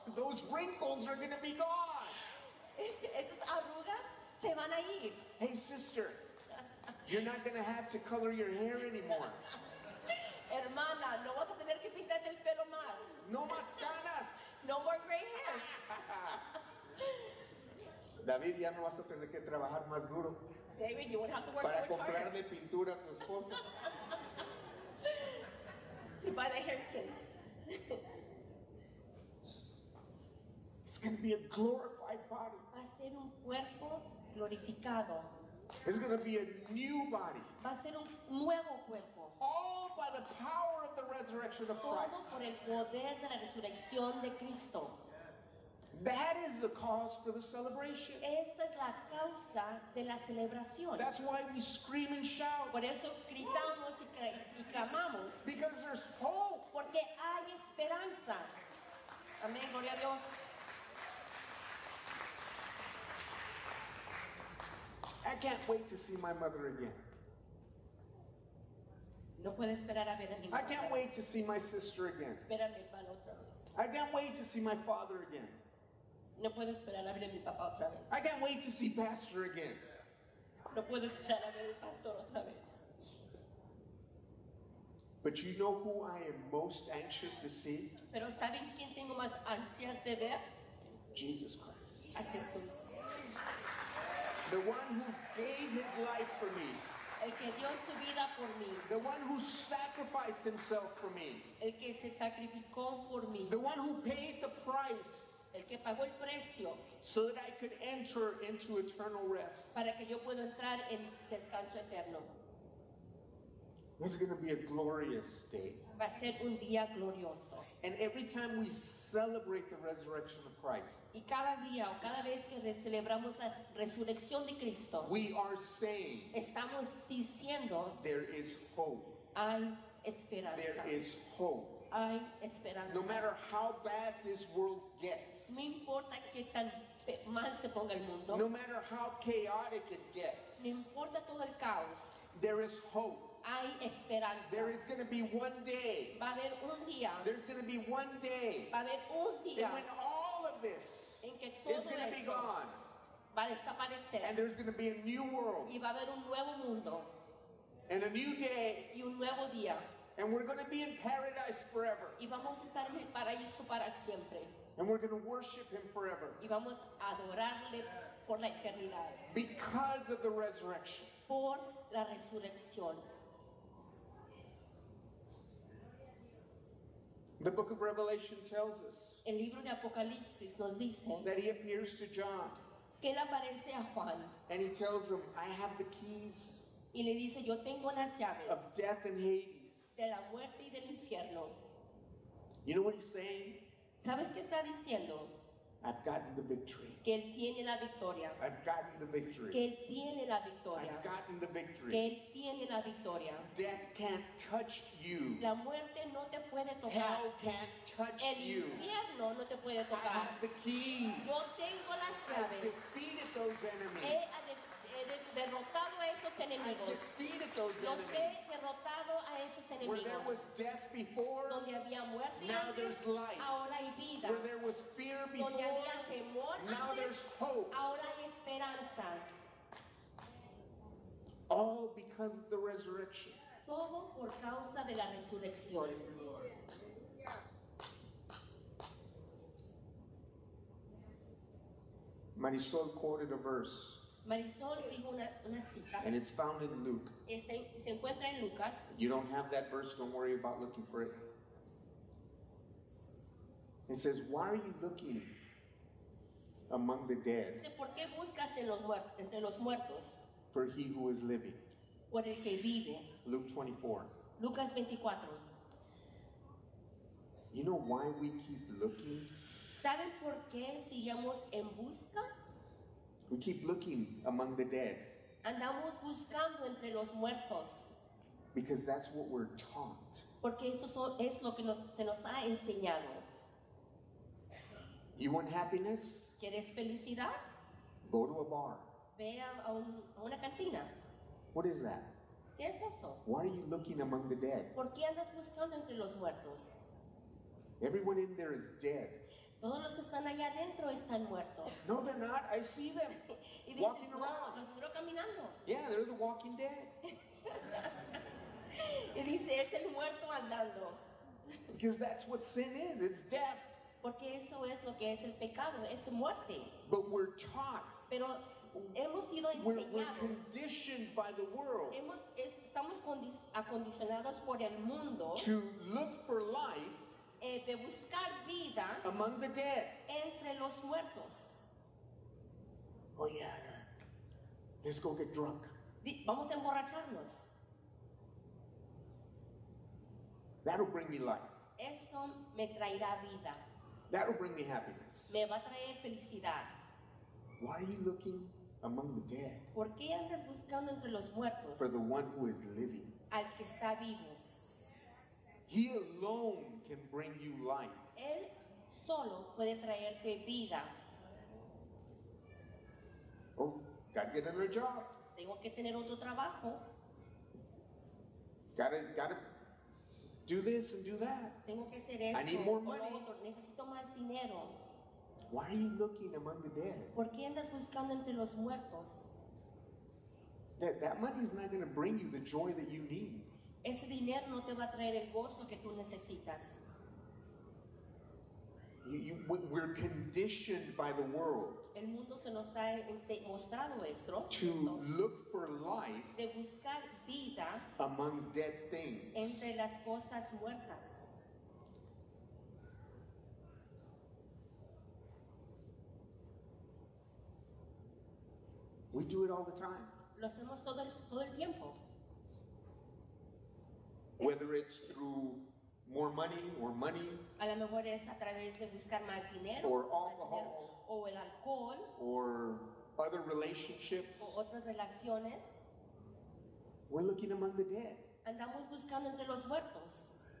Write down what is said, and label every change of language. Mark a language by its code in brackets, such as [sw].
[en] Those wrinkles are going to be gone. [es] Esas arrugas se van a ir. [en] Hey, sister, you're not going to have to color your hair anymore. [es] Hermana, no vas a tener que pintarte el pelo más. No más canas. [en] No more gray hairs. [es] David, ya no vas a tener que trabajar más duro. [en] David, you won't have to work [es] para [en] so much [es] comprarle [en] harder. [es] Pintura a tu esposa. [en] To buy the hair tint. It's going to be a glorified body. [es] Va a ser un cuerpo glorificado. [en] It's going to be a new body. [es] Va a ser un nuevo cuerpo. [en] All by the power of the resurrection of Christ. [es] Todo por el poder de la resurrección de Cristo. [en] That is the cause for the celebration. [es] Esta es la causa de la celebración. [en] That's why we scream and shout. [es] Por eso gritamos y clamamos. [en] Because there's hope. [es] Porque hay esperanza. Amén, gloria a Dios. [en] I can't wait to see my mother again. [es] No puedo esperar a ver a mi madre. [en] I can't wait to see my sister again. [es] Espérame para otra vez. [en] I can't wait to see my father again. [es] No puedo esperar a ver a mi papá otra vez. [en] I can't wait to see Pastor again. [es] No puedo esperar a ver al pastor otra vez. [en] But you know who I am most anxious to see? [es] Pero ¿saben quién tengo más ansias de ver? [en] Jesus Christ. [es] A Jesús. [en] The one who gave his life for me. [es] El que dio su vida por mí. [en] The one who sacrificed himself for me. [es] El que se sacrificó por mí. [en] The one who paid the price. [es] El que pagó el precio. [en] So that I could enter into eternal rest. [es] Para que yo pueda entrar en descanso eterno. [en] This is going to be a glorious day. [es] Va a ser un día glorioso. [en] And every time we celebrate the resurrection of Christ, [es] y cada día o cada vez que celebramos la resurrección de Cristo, [en] we are saying, [es] estamos diciendo, [en] there is hope. [es] Hay esperanza. [en] There is hope. [es] Hay esperanza. [en] No matter how bad this world gets, [es] no importa qué tan mal se ponga el mundo, [en] no matter how chaotic it gets, [es] no importa todo el caos, [en] there is hope. [es] Hay esperanza. [en] There is going to be one day. [es] Va a haber un día. [en] There's going to be one day. [es] Va a haber un día. [en] And when all of this is going to be gone, [es] va a desaparecer. [en] And there's going to be a new world. [es] Y va a haber un nuevo mundo. [en] And a new day. [es] Y un nuevo día. [en] And we're going to be in paradise forever. [es] Y vamos a estar en el paraíso para siempre. [en] And we're going to worship him forever. [es] Y vamos a adorarle por la eternidad. [en] Because of the resurrection. [es] Por la resurrección. [en] The book of Revelation tells us, [es] el libro de Apocalipsis nos dice, [en] that he appears to John, [es] que él aparece a Juan, [en] and he tells him, I have the keys, [es] y le dice, yo tengo las llaves, [en] of death and Hades, [es] de la muerte y del infierno. [en] You know what he's saying? [es] ¿Sabes qué está diciendo? [en] I've gotten the victory. [es] Que él tiene la victoria. [en] I've gotten the victory. [es] Que él tiene la victoria. [en] I've gotten the victory. [es] Que él tiene la victoria. [en] Death can't touch you. [es] La muerte no te puede tocar. [en] Hell can't touch [es] el infierno [en] you. [es] No te puede tocar. [en] I have the keys. [es] Yo tengo las llaves. [en] I've defeated those enemies. [es] He derrotado a esos enemigos. [en] I've defeated those enemies. [es] Los he derrotado a esos enemigos. [en] Where there was death before, [es] donde había muerte [en] now [es] antes, [en] there's life. [es] Ahora hay vida. [en] Where there was fear before, [es] donde había temor [en] now [es] antes, [en] there's hope. [es] Ahora hay esperanza. [en] All because of the resurrection. [es] Todo por causa de la resurrección. [en] Marisol quoted a verse. [es] Marisol dijo una cita. [en] And it's found in Luke. [es] Se encuentra en Lucas. [en] You don't have that verse, don't worry about looking for it. It says, why are you looking among the dead? [es] Dice, ¿por qué buscas entre los muertos? [en] For he who is living. [es] Por el que vive. [en] Luke 24. [es] Lucas 24. [en] You know why we keep looking? [es] ¿Saben por qué seguimos en busca? [en] We keep looking among the dead. [es] Andamos buscando entre los muertos. [en] Because that's what we're taught. [es] Porque eso es lo que se nos ha enseñado. [en] You want happiness? [es] ¿Quieres felicidad? [en] Go to a bar. [es] Ve a una cantina. [en] What is that? [es] ¿Qué es eso? [en] Why are you looking among the dead? [es] ¿Por qué andas buscando entre los muertos? [en] Everyone in there is dead. [es] Todos los que están allá adentro están muertos. [en] No, they're not. I see them. [es] Dices, [en] walking [es] no, [en] around. [es] Los miro caminando. [en] Yeah, they're the walking dead. [es] Y dice, es el muerto andando. [en] Because that's what sin is. It's death. [es] Porque eso es lo que es el pecado. Es muerte. [en] But we're taught. [es] Pero hemos sido enseñados. [en] We're conditioned by the world. [es] Estamos acondicionados por el mundo. [en] To look for life. [es] De buscar vida [en] among the dead. [es] Entre los muertos. [en] Oh yeah, let's go get drunk. [es] Vamos a emborracharnos. [en] That'll bring me life. [es] Eso me traerá vida. [en] That'll bring me happiness. [es] Me va a traer felicidad. [en] Why are you looking among the dead? [es] ¿Por qué andas buscando entre los muertos? [en] For the one who is living. [es] Al que está vivo. [en] He alone can bring you life. [es] Él solo puede traerte vida. [en] Oh, gotta get another job. [es] Tengo que tener otro trabajo. [en] Gotta do this and do that. [es] Tengo que hacer esto. [en] I need more money. [es] Necesito más dinero. [en] Why are you looking among the dead? [es] ¿Por qué andas buscando entre los muertos? [en] That money is not going to bring you the joy that you need. [es] Ese dinero no te va a traer el gozo que tú necesitas. [en] We're conditioned by the world. [es] El mundo se nos está mostrando esto. [en] To look for life. [es] De buscar vida. [en] Among dead things. [es] Entre las cosas muertas. [en] We do it all the time. [es] Lo hacemos todo el tiempo. [en] Whether it's through more money or money, [es] a lo mejor es a través de buscar más dinero, [en] or alcohol, [es] o el alcohol, [en] or other relationships, [es] o otras relaciones. [en] We're looking among the dead. [es] Andamos buscando entre los muertos.